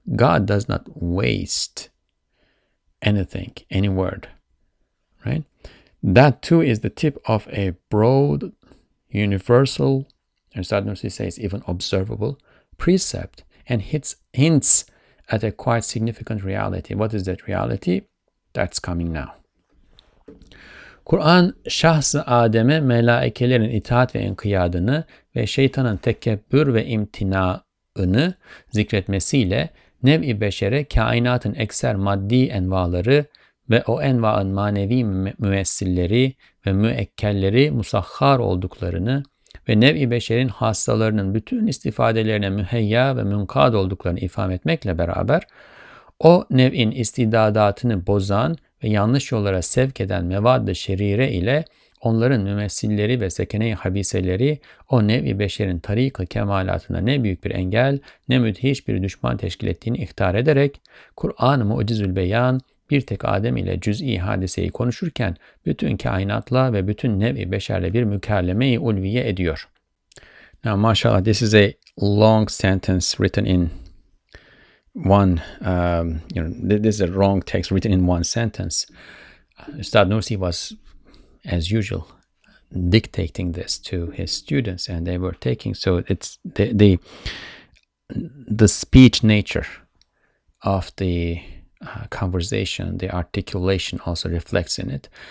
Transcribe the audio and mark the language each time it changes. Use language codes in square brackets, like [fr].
[en] God does not waste anything, any word, right? That too is the tip of a broad, universal, Aristotle says even observable, precept, and hints at a quite significant reality. What is that reality? That's coming now. [tr] Kur'an, şahs-ı Adem'e melaikelerin itaat ve inkiyadını ve şeytanın tekebbür ve imtinaını zikretmesiyle nev-i beşere kainatın ekser maddi envaları ve o envaın manevi müessilleri ve müekkelleri musahhar olduklarını ve nev-i beşerin hastalarının bütün istifadelerine müheyya ve münkad olduklarını ifham etmekle beraber, o nev'in istidadatını bozan ve yanlış yollara sevk eden mevad-ı şerire ile onların mümessilleri ve sekene-i habiseleri o nev-i beşerin tarik-ı kemalatına ne büyük bir engel ne müthiş bir düşman teşkil ettiğini ihtar ederek, Kur'an-ı Mu'cizül Beyan bir tek Adem ile cüz'i hadiseyi konuşurken bütün kainatla ve bütün nev-i beşerle bir mükerleme-i ulviye ediyor. [en] Now maşallah, this is a long sentence written in one, this is a long text written in one sentence. Üstad Nursi was, as usual, dictating this to his students, and they were taking, so it's the speech nature of the conversation, the articulation also reflects in it.